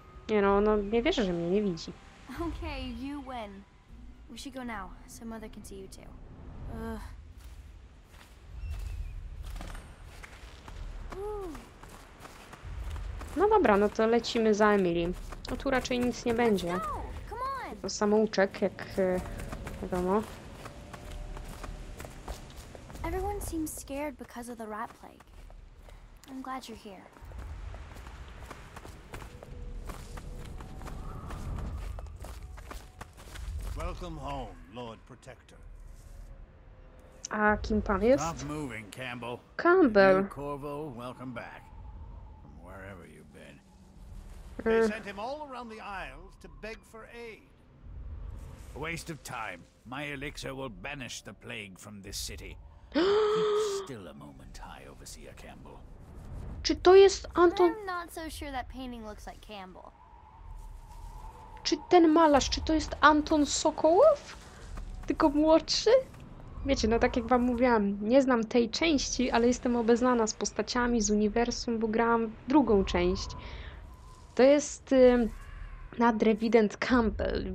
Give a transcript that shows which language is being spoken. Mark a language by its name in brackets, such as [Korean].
[Polish] Nie no, ona nie wierzę, że mnie nie widzi. [English] Okej, you win. We should go now, so mother can see you too. [Polish] No dobra, no to lecimy za Emily. No tu raczej nic nie będzie. To samouczek, jak wiadomo. [English] Everyone seems scared because of the rat plague. I'm glad you're here. Welcome home, Lord Protector. [Polish] A kim pan jest? [English] Stop moving, Campbell. Campbell. And Corvo, welcome back. From wherever you've been. They sent him all around the Isles to beg for aid. A waste of time. My elixir will banish the plague from this city. Still a moment, High Overseer Campbell. [Polish] Czy to jest Anton? [English] I'm not so sure that painting looks like Campbell. [Polish] Czy ten malarz, czy to jest Anton Sokołow? Tylko młodszy? Wiecie, no tak jak wam mówiłam, nie znam tej części, ale jestem obeznana z postaciami, z uniwersum, bo grałam drugą część. To jest nad Revident Campbell.